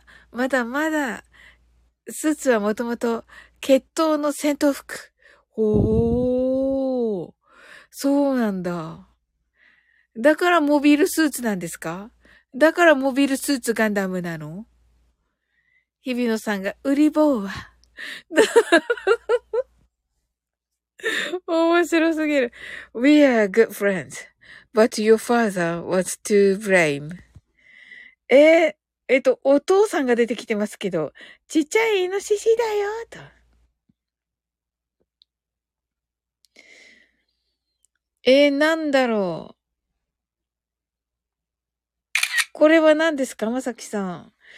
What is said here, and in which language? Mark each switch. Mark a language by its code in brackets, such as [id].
[ja] まだ、スーツはもともと、血統の戦闘服。おー。そうなんだ。だからモビルスーツなんですか？だからモビルスーツガンダムなの？日比野さんが、ウリボーは。面白すぎる。 [en] We are good friends, but your father was to blame. [ja] お父さんが出てきてますけど、ちっちゃいイノシシだよ、と。なんだろう。これは何ですか、まさきさん。